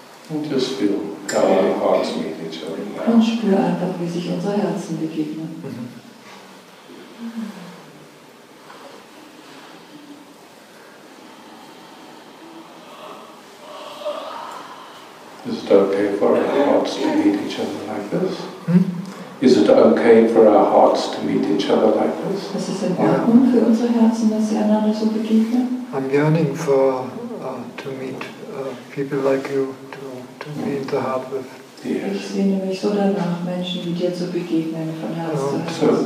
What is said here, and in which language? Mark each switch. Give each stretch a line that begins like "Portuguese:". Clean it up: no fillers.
English: Und just feel how our hearts meet each other now.
German: Und spür einfach, wie sich unsere Herzen begegnen.
English: Is it okay for our hearts to meet each other like this? Is it okay for our hearts to meet each other like this? Is it
German: in Ordnung für unsere Herzen, dass sie einander so begegnen?
English: I'm yearning for to meet people like you, to be in the heart with.
German: Ich sehne mich so danach, Menschen wie dir zu begegnen von Herz zu Herz.